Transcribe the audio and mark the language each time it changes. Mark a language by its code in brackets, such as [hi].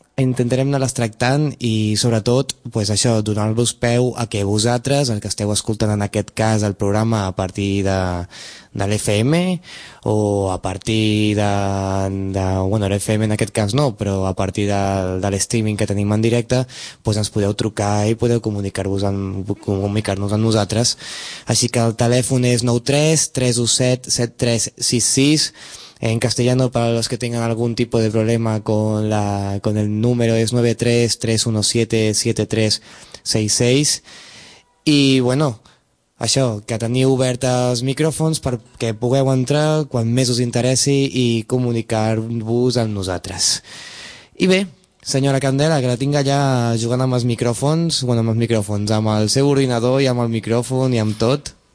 [ca] intentarem anar-les tractant i, sobretot, pues això, donar-vos peu a que vosaltres, el que esteu escoltant en aquest cas el programa a partir de l'FM o a partir de bueno, l'FM en aquest cas no, però a partir de l'streaming que tenim en directe, pues ens podeu trucar i podeu comunicar-nos amb nosaltres. Així que el telèfon és 93-317-7366. [es] En castellano, para los que tengan algún tipo de problema con el número, es 93-317-7366. [ca] Y bueno, això, que teniu oberts els micròfons perquè pugueu entrar quan més us interessi i comunicar-vos amb nosaltres. I bé, senyora Candela, que la tinc allà jugant amb els micròfons, bueno, amb els micròfons, amb el seu ordinador i amb el micròfon i amb tot.